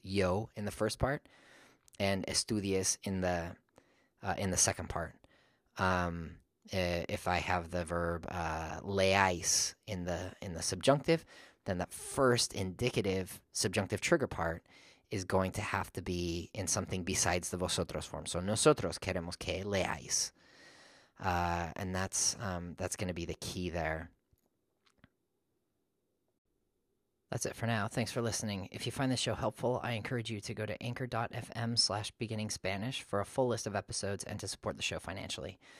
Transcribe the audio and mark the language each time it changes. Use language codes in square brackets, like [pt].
[en] Yo in the first part, and estudies in the second part. If I have the verb leáis in the subjunctive, then that first indicative subjunctive trigger part is going to have to be in something besides the vosotros form. [es] So nosotros queremos que leáis. [en] And that's going to be the key there. That's it for now. Thanks for listening. If you find this show helpful, I encourage you to go to anchor.fm/beginningspanish for a full list of episodes and to support the show financially.